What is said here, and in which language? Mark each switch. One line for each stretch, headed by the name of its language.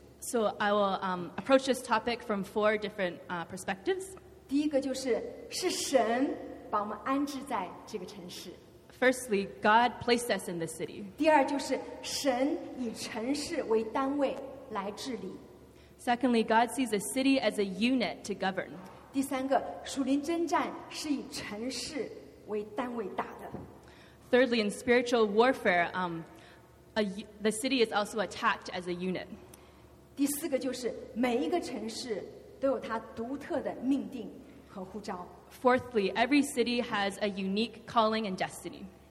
English: So I will approach this topic from four different perspectives.
Chinese: 第一个就是神把我们安置在这个城市。
English: Firstly, God placed us in the city.
Chinese: 第二就是神以城市为单位来治理。
English: Secondly, God sees a city as a unit to govern.
Chinese: 第三个，属灵征战是以城市为单位打的。
English: Thirdly, in spiritual warfare, the city is also attacked as a unit.
Chinese: 第四个就是每一个城市都有它独特的命定和呼召。
English: Fourthly, every city has a unique calling and destiny.